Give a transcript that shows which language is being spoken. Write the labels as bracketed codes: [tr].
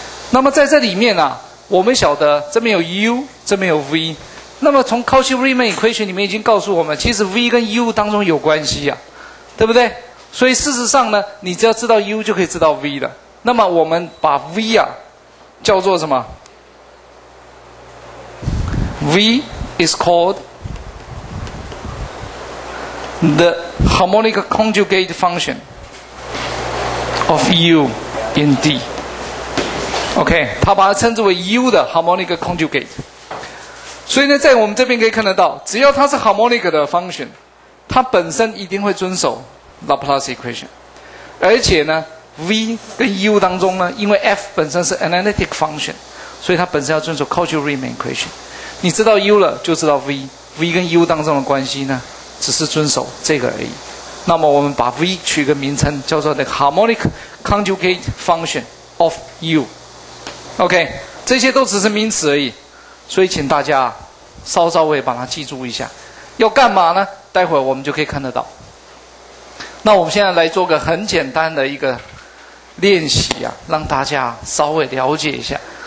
[zh] 那么在这里面呢、啊，我们晓得这边有 U， 这边有 V。那么从 Cauchy-Riemann equation 里面已经告诉我们，其实 V 跟 U 当中有关系啊，对不对？所以事实上呢，你只要知道 U 就可以知道 V 了。那么我们把 V 啊叫做什么？ [en] V is called the harmonic conjugate function of U in D. [zh] OK， 他把它称之为 U 的 harmonic conjugate。所以呢，在我们这边可以看得到，只要它是 harmonic 的 function， 它本身一定会遵守 Laplace equation。而且呢 ，V 跟 U 当中呢，因为 f 本身是 analytic function， 所以它本身要遵守 Cauchy-Riemann equation。你知道 U 了，就知道 V，V 跟 U 当中的关系呢，只是遵守这个而已。那么我们把 V 取一个名称，叫做 [en] the harmonic conjugate function of U。 [zh] OK， 这些都只是名词而已。所以请大家稍稍微把它记住一下，要干嘛呢？待会儿我们就可以看得到。那我们现在来做个很简单的一个练习啊，让大家稍微了解一下。